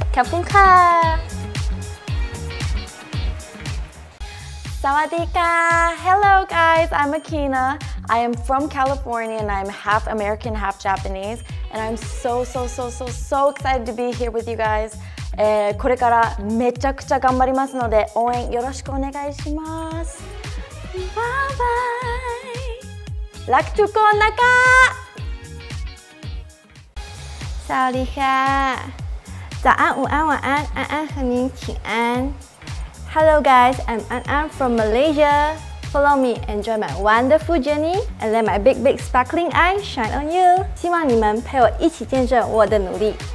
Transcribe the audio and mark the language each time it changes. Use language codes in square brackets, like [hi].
[th] Kapung ka! Sawadika! [en] Hello guys, I'm Akina. I am from California and I'm half American, half Japanese. And I'm so excited to be here with you guys. [ja] これからめちゃくちゃ頑張りますので応援よろしくお願いします。バイバイ。 [th] ラクチュコンナカ。サワディカ。 [zh] 早安、午安、晚安、安安和您请安。 [en] Hello guys, I'm An An from Malaysia. Follow me, enjoy my wonderful journey, and let my big big sparkling eyes shine on you. [zh] 希望你们陪我一起见证我的努力。